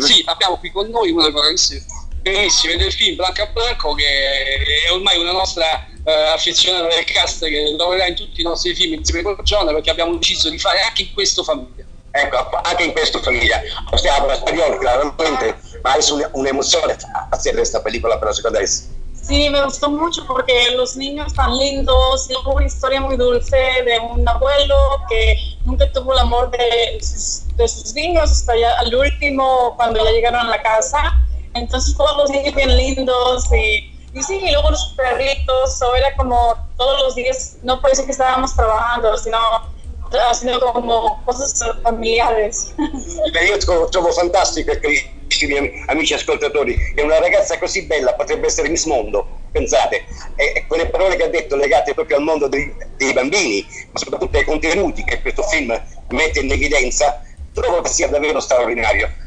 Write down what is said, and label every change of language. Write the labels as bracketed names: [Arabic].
[Italian] Sì, abbiamo qui con noi una delle protagoniste benissime del film, Blanca Blanco, che è ormai una nostra affezionata del cast, che lavorerà in tutti i nostri film insieme con John, perché abbiamo deciso di fare anche in questo famiglia. Ecco, anche in questo famiglia. Stiamo a spagnolo, chiaramente, ma è un'emozione assieme a questa pellicola per la seconda [Spanish] vez. Sì, me gustó mucho porque los niños tan lindos, y luego una historia muy dulce de un abuelo que nunca tuvo el amor de sus niños hasta ya al último cuando ya llegaron a la casa. Entonces todos los niños bien lindos y sí, y luego los perritos, o era como todos los días, no puede ser que estábamos trabajando, sino haciendo como cosas familiares. Pero yo [Italian] trovo fantástico que amici ascoltatori, che una ragazza così bella potrebbe essere Miss Mondo, pensate, e quelle parole che ha detto legate proprio al mondo dei bambini, ma soprattutto ai contenuti che questo film mette in evidenza, trovo che sia davvero straordinario.